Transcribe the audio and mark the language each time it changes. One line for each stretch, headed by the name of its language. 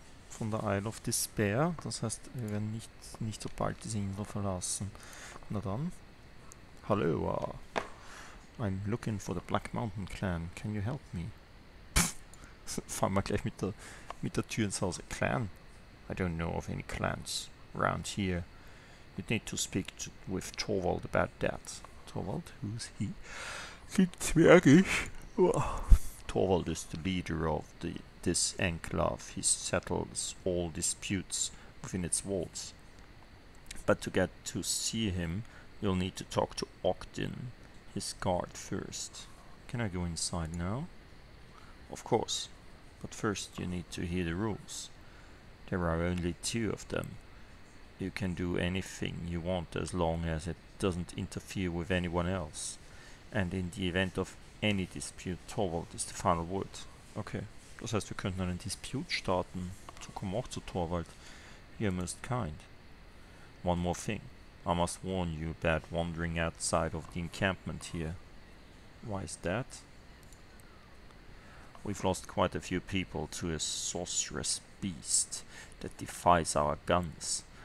German: Von der Isle of Despair. Das heißt, wir werden nicht so bald diese Insel verlassen. Na dann. Hallo.
English: I'm looking for the Black Mountain Clan. Can you help me?
German: Fangen wir gleich mit der Tür ins Haus.
English: Clan? I don't know of any clans around here. You'd need to speak with Torvald about that. Torvald? Who's he?
German: Klingt zwergisch.
English: Torvald is the leader of this enclave. He settles all disputes within its walls. But to get to see him, you'll need to talk to Ogden, his guard, first. Can I go inside now? Of course. But first you need to hear the rules. There are only two of them. You can do anything you want as long as it doesn't interfere with anyone else. And in the event of any dispute, Torvald is the final word.
German: Okay, das heißt, wir könnten einen Disput starten. So komm auch zu Torvald.
English: You're most kind. One more thing. I must warn you about wandering outside of the encampment here. Why is that? We've lost quite a few people to a sorcerous beast that defies our guns.